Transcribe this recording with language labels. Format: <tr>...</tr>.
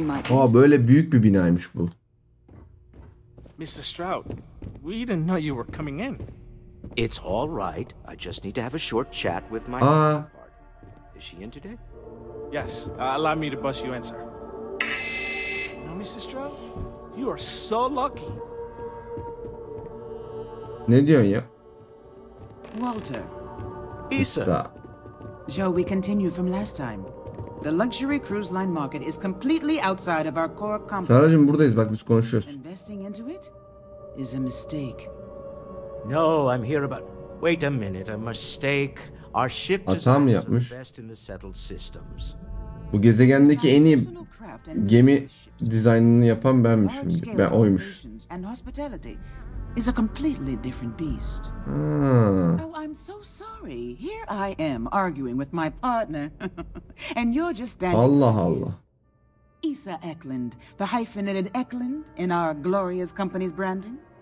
<tr>Aa, böyle büyük bir binaymış bu.</tr> <en>Mr. Stroud, we didn't know you were coming in. It's all right. I just need to have a short chat with my counterpart. Is she in today? Yes. Allow me to bus you in, sir. No, Mr. Stroud, you are so lucky.</en> <tr>Ne diyorsun ya?</tr> <en>Walter. Issa. Shall we continue from last time? The luxury cruise line market is completely outside of our core competence.</en> <tr>Saracığım buradayız bak biz konuşuyoruz.</tr> <en>Investing into it is a mistake. No, I'm here about. Wait a minute, a mistake. Our ship is best in the settled systems.</en> <tr>Bu gezegendeki en iyi gemi dizaynını yapan benmişim. Ben oymuş.</tr> <en>And hospitality is a completely different beast. Ah. Oh, I'm so sorry. Here I am arguing with my partner. And you're just standing.</en> <tr>Allah Allah.</tr> <en>Issa Eklund, the hyphenated Eklund in our glorious company's branding.</en>